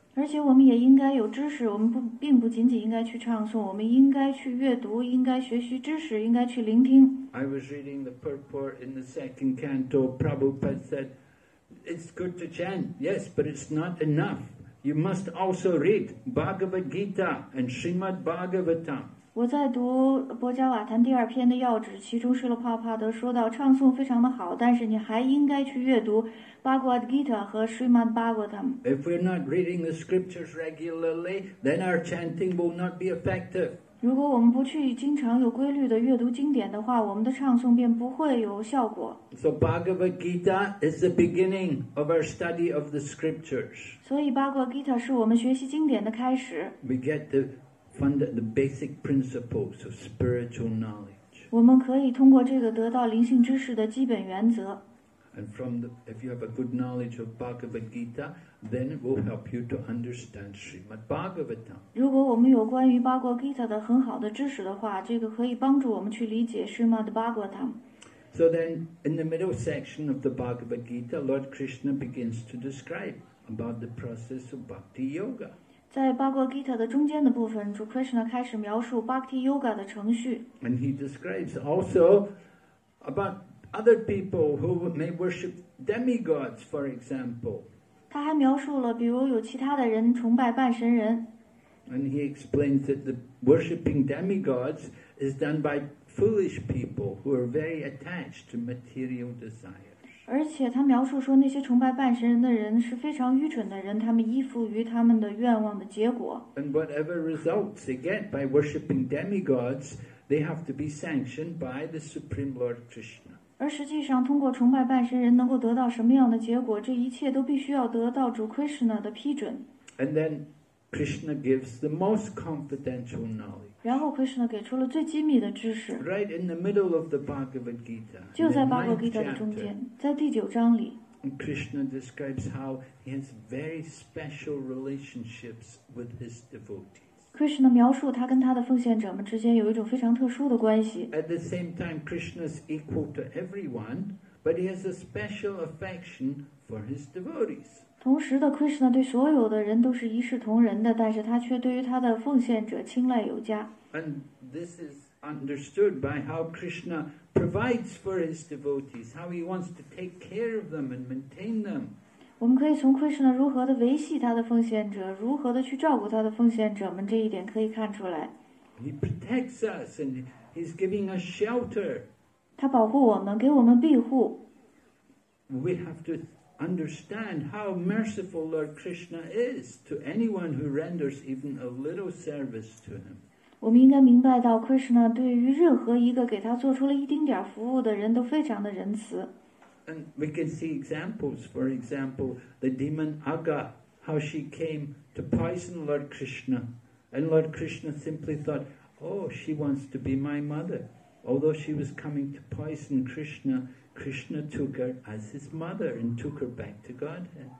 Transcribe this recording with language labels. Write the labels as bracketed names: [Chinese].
[Chinese] 而且我们也应该有知识，我们并不仅仅应该去唱诵，我们应该去阅读，应该学习知识，应该去聆听。 [English] I was reading the purport in the second canto. Prabhupada said, "It's good to chant, yes, but it's not enough. You must also read Bhagavad Gita and Srimad Bhagavatam." [Chinese] 我在读《博伽瓦坛》第二篇的要旨，其中Śrīla Prabhupāda说到，唱诵非常的好，但是你还应该去阅读《Bhagavad Gita》和《Srimad Bhagavatam》。 [English] If we're not reading the scriptures regularly, then our chanting will not be effective. [Chinese] 如果我们不去经常有规律的阅读经典的话，我们的唱诵便不会有效果。 [English] So Bhagavad Gita is the beginning of our study of the scriptures. [Chinese] 所以《Bhagavad Gita》是我们学习经典的开始。 [English] We get the the basic principles of spiritual knowledge. [Chinese] 我们可以通过这个得到灵性知识的基本原则。 [English] And from the, if you have a good knowledge of Bhagavad Gita, then it will help you to understand Srimad Bhagavatam. [Chinese] 如果我们有关于 Bhagavad Gita 的很好的知识的话，这个可以帮助我们去理解 Srimad Bhagavatam. [English] So then, in the middle section of the Bhagavad Gita, Lord Krishna begins to describe about the process of Bhakti Yoga. [Chinese] 在 Bhagavad Gita 的中间的部分，主 Krishna 开始描述 Bhakti Yoga 的程序。 [English] And he describes also about other people who may worship demigods, for example. [Chinese] 他还描述了，比如有其他的人崇拜半神人。 [English] And he explains that the worshipping demigods is done by foolish people who are very attached to material desire. [Chinese] 而且他描述说，那些崇拜半神人的人是非常愚蠢的人，他们依附于他们的愿望的结果。 [English] And whatever results they get by worshipping demigods, they have to be sanctioned by the Supreme Lord Krishna. [Chinese] 而实际上，通过崇拜半神人能够得到什么样的结果，这一切都必须要得到主 Krishna 的批准。 [English] And then Krishna gives the most confidential knowledge. [Chinese] 然后 Krishna 给出了最机密的知识 [English] Right in the middle of the Bhagavad Gita [Chinese] 就在 Bhagavad Gita 的中间在第九章里 [English] Krishna describes how he has very special relationships with his devotees [Chinese] Krishna 描述他跟他的奉献者们之间有一种非常特殊的关系 [English] At the same time Krishna is equal to everyone But he has a special affection for his devotees [Chinese] 同时的 Krishna 对所有的人都是一视同仁的但是他却对于他的奉献者青睐有加 [English] And this is understood by how Krishna provides for his devotees how he wants to take care of them and maintain them [Chinese] 我们可以从 Krishna 如何的维系他的奉献者如何的去照顾他的奉献者们这一点可以看出来 [English] He protects us and he's giving us shelter [Chinese] 他保护我们给我们庇护 [English] We have to understand how merciful Lord Krishna is to anyone who renders even a little service to him. [Chinese] 我们应该明白到 Krishna 对于任何一个给他做出了一丁点服务的人都非常的仁慈。 [English] And we can see examples, for example, the demon Aga, how she came to poison Lord Krishna. And Lord Krishna simply thought, oh, she wants to be my mother. Although she was coming to poison Krishna,Krishna took her as his mother and took her back to Godhead.